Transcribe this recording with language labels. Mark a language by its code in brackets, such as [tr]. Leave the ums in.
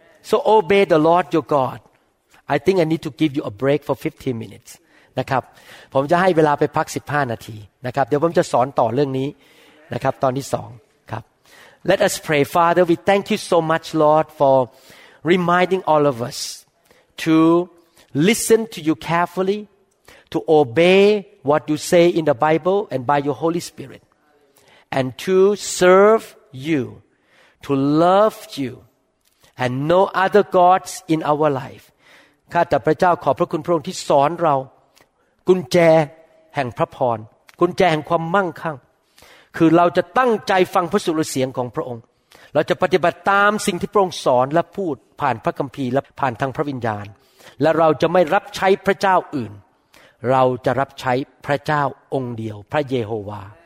[en] so obey the Lord your God I think I need to give you a break for 15 minutes [th] นะครับ ผมจะให้เวลาไปพัก 15 นาทีนะครับ เดี๋ยวผมจะสอนต่อเรื่องนี้นะครับตอนที่สองครับ [en] Let us pray Father we thank you so much Lord for reminding all of us to listen to you carefully to obey what you say in the Bible and by your Holy Spirit. And to serve you, to love you, and no other gods in our life. [th] ข้าแต่พระเจ้าขอบพระคุณพระองค์ที่สอนเรา กุญแจแห่งพระพรกุญแจแห่งความมั่งคั่ง คือเราจะตั้งใจฟังพระสุรเสียงของพระองค์ เราจะปฏิบัติตามสิ่งที่พระองค์สอนและพูดผ่านพระคัมภีร์และผ่านทางพระวิญญาณ และเราจะไม่รับใช้พระเจ้าอื่นเราจะรับใช้พระเจ้าองค์เดียวพระเยโฮวา